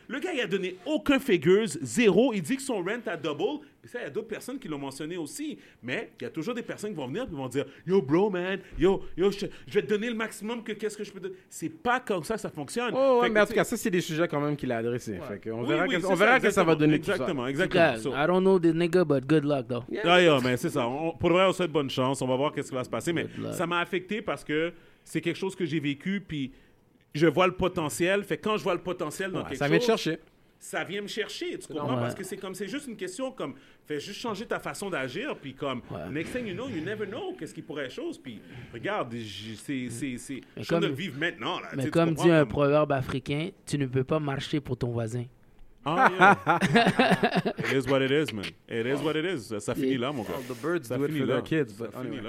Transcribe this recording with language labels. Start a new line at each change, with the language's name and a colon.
French: Le gars il a donné aucun figures, zéro, il dit que son rent a double. Puis ça, il y a d'autres personnes qui l'ont mentionné aussi, mais il y a toujours des personnes qui vont venir et vont dire « Yo, bro, man, yo, je vais te donner le maximum que qu'est-ce que je peux donner. » C'est pas comme ça que ça fonctionne. Oh, ouais, mais en tout cas, ça, c'est des sujets quand même qu'il a adressés. Ouais. Fait qu'on verra, on verra que ça va donner exactement.
English: I don't know the nigga, but good luck, though.
French: Yeah. Ah, yeah, mais c'est ça. Pour vrai, on souhaite bonne chance. On va voir qu'est-ce qui va se passer. Good mais luck. Ça m'a affecté parce que c'est quelque chose que j'ai vécu, puis je vois le potentiel. Fait quand je vois le potentiel dans quelque ça vient de chercher. Ça vient me chercher, tu comprends? Parce que c'est comme, c'est juste une question comme, fais juste changer ta façon d'agir, puis comme,
English: next thing you never know,
French: qu'est-ce qui pourrait être chose, puis regarde, c'est je suis en train de vivre maintenant, là. Mais comme dit un proverbe africain, tu ne peux pas marcher pour ton voisin.
English: Oh, yeah. It is what it is, man. It is what it is.
French: Ça finit là, mon gars.
English: The birds do it for their kids, but anyway.